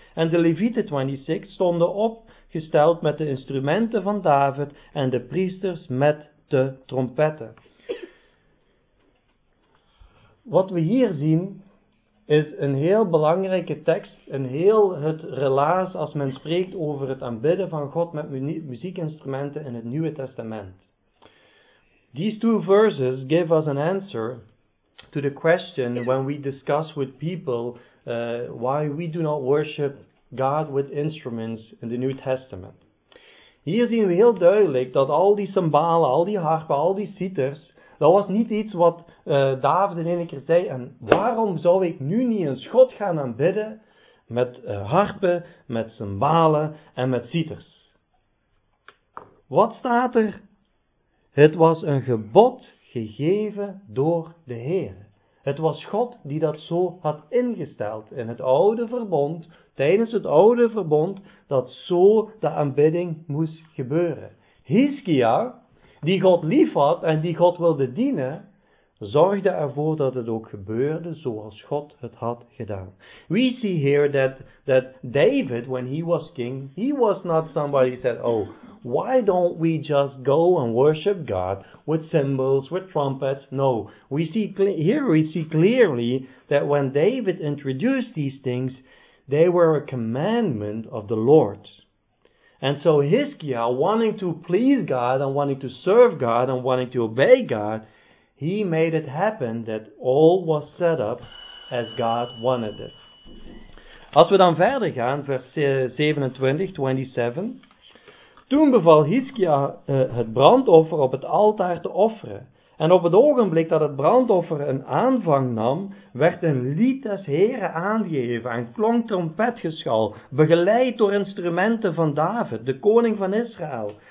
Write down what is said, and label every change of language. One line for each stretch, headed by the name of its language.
Dutch: En de levieten 26 stonden opgesteld met de instrumenten van David en de priesters met de trompetten. Wat we hier zien is een heel belangrijke tekst, een heel het relaas als men spreekt over het aanbidden van God met muziekinstrumenten in het Nieuwe Testament.
English: These two verses give us an answer to the question when we discuss with people why we do not worship God with instruments in the New Testament.
Dutch: Hier zien we heel duidelijk dat al die cymbalen, al die harpen, al die citers, dat was niet iets wat David in een keer zei, en waarom zou ik nu niet eens God gaan aanbidden met harpen, met cymbalen en met citers? Wat staat er? Het was een gebod gegeven door de Heer. Het was God die dat zo had ingesteld in het oude verbond, tijdens het oude verbond, dat zo de aanbidding moest gebeuren. Hizkia, die God lief had en die God wilde dienen, zorgde ervoor dat het ook gebeurde zoals God het had gedaan.
English: We see here that David, when he was king, he was not somebody who said, oh, why don't we just go and worship God with cymbals, with trumpets? No, we see clearly that when David introduced these things, they were a commandment of the Lord. And so Hizkiah, wanting to please God and wanting to serve God and wanting to obey God, he made it happen that all was set up as God wanted it.
Dutch: Als we dan verder gaan, vers 27. Toen beval Hizkiah het brandoffer op het altaar te offeren. En op het ogenblik dat het brandoffer een aanvang nam, werd een lied des Heren aangegeven en klonk trompetgeschal, begeleid door instrumenten van David, de koning van Israël.